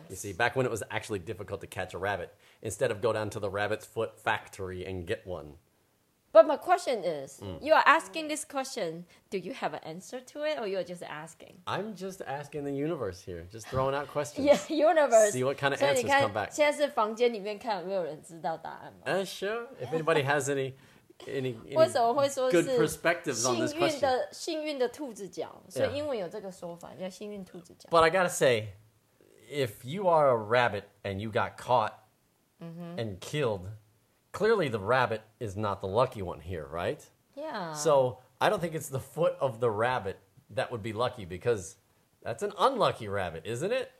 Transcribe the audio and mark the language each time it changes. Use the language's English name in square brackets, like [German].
[English] You see, back when it was actually difficult to catch a rabbit, instead of go down to the rabbit's foot factory and get one. But my question is, you are asking this question, do you have an answer to it, or you're just asking? I'm just asking the universe here, just throwing out questions. Yeah, universe. See what kind of answers come back. [Chinese] 现在是房间里面看有没有人知道答案吗? [English] Sure, if anybody has any good perspectives on this question. [Chinese] 幸运的兔子脚,所以英文有这个说法,叫幸运兔子脚。 [English] But I gotta say, if you are a rabbit and you got caught and killed... Clearly, the rabbit is not the lucky one here, right? Yeah. So, I don't think it's the foot of the rabbit that would be lucky, because that's an unlucky rabbit, isn't it?